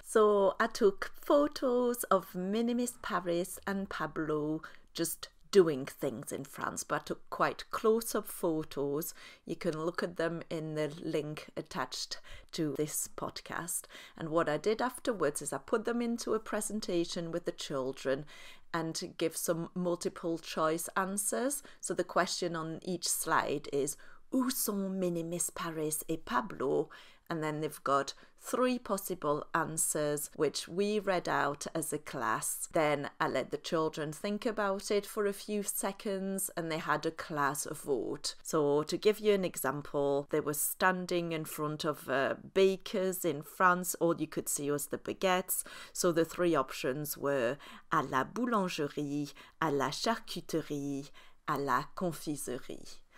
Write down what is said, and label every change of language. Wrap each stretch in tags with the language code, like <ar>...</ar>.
<en>So I took photos of Minimis Paris and Pablo just doing things in France, but I took quite close-up photos. You can look at them in the link attached to this podcast. And what I did afterwards is I put them into a presentation with the children and give some multiple choice answers. So the question on each slide is,</en> <fr>où sont Minimis Paris et Pablo?</fr> <en>And then they've got 3 possible answers, which we read out as a class. Then I let the children think about it for a few seconds and they had a class vote. So to give you an example, they were standing in front of bakers in France. All you could see was the baguettes. So the 3 options were</en> <fr>à la boulangerie, à la charcuterie, à la confiserie.</fr>